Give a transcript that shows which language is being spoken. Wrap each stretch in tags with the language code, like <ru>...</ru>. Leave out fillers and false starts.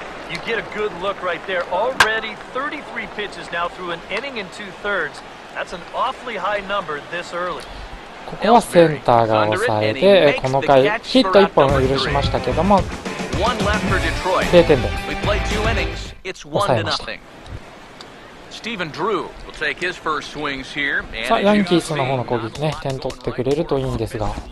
<en>You get a good look right there. Already 33 pitches now through an inning and two thirds. That's an awfully high number this early.</en> <ja>ここはセンターが抑えて、この回ヒット1本を許しましたけども、0点で抑えました。</ja> <en>Steven Drew will take his first swings here.</en> <ja>さあ、ヤンキースの方の攻撃ね、点取ってくれるといいんですが。</ja>